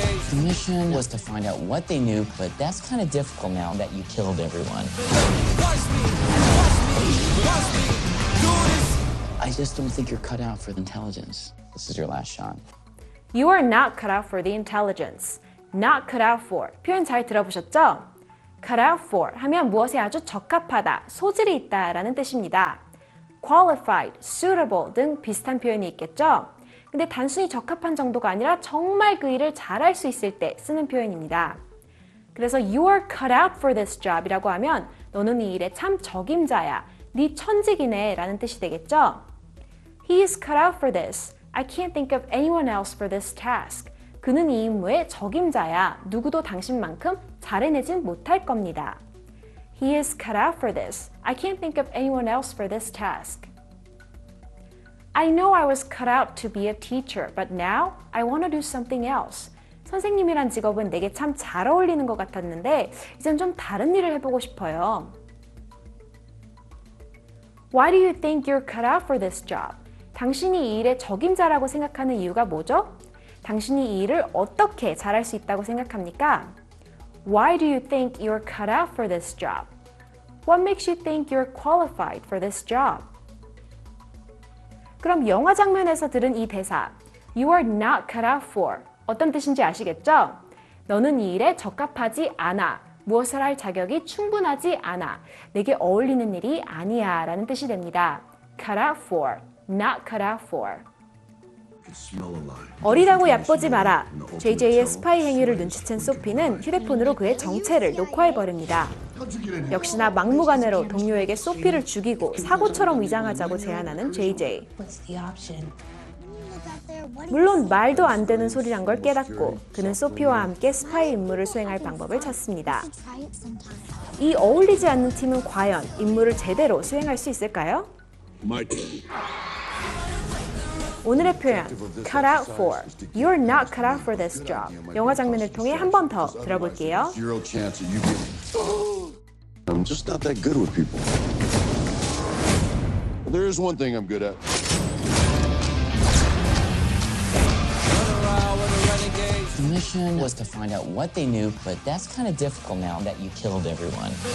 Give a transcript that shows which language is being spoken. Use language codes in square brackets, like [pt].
[en] The mission was to find out what they knew, but that's kind of difficult now that you killed everyone. Watch me! Watch me! Watch me! Do this! I just don't think you're cut out for the intelligence. This is your last shot. You are not cut out for the intelligence. Not cut out for. [ko] 표현 잘 들어보셨죠? [en] Cut out for [ko] 하면 무엇에 아주 적합하다, 소질이 있다 라는 뜻입니다. [en] Qualified, suitable [ko] 등 비슷한 표현이 있겠죠? 근데 단순히 적합한 정도가 아니라 정말 그 일을 잘할 수 있을 때 쓰는 표현입니다. 그래서 [en] You are cut out for this job [ko] 이라고 하면 너는 이 일에 참 적임자야, 네 천직이네 라는 뜻이 되겠죠? [en] He is cut out for this. I can't think of anyone else for this task. [ko] 그는 이 임무의 적임자야. 누구도 당신만큼 잘해내진 못할 겁니다. [en] He is cut out for this. I can't think of anyone else for this task. I know I was cut out to be a teacher, but now I want to do something else. [ko] 선생님이란 직업은 내게 참 잘 어울리는 것 같았는데 이젠 좀 다른 일을 해보고 싶어요. [en] Why do you think you're cut out for this job? [ko] 당신이 이 일의 적임자라고 생각하는 이유가 뭐죠? 당신이 이 일을 어떻게 잘할 수 있다고 생각합니까? [en] Why do you think you're cut out for this job? What makes you think you're qualified for this job? [ko] 그럼 영화 장면에서 들은 이 대사, [en] You are not cut out for, [ko] 어떤 뜻인지 아시겠죠? 너는 이 일에 적합하지 않아, 무엇을 할 자격이 충분하지 않아, 내게 어울리는 일이 아니야 라는 뜻이 됩니다. [en] Cut out for, not cut out for. [ko] 어리다고 얕보지 마라. JJ의 스파이 행위를 눈치챈 소피는 휴대폰으로 그의 정체를 녹화해버립니다. 역시나 막무가내로 동료에게 소피를 죽이고 사고처럼 위장하자고 제안하는 JJ. 물론 말도 안 되는 소리란 걸 깨닫고 그는 소피와 함께 스파이 임무를 수행할 방법을 찾습니다. 이 어울리지 않는 팀은 과연 임무를 제대로 수행할 수 있을까요? 오늘의 표현, [en] cut out for. You're not cut out for this job. [ko] 영화 장면을 통해 한 번 더 들어볼게요. [en] I'm just not that good with people. There is one thing I'm good at. The mission was to find out what they knew, but that's kind of difficult now that you killed everyone.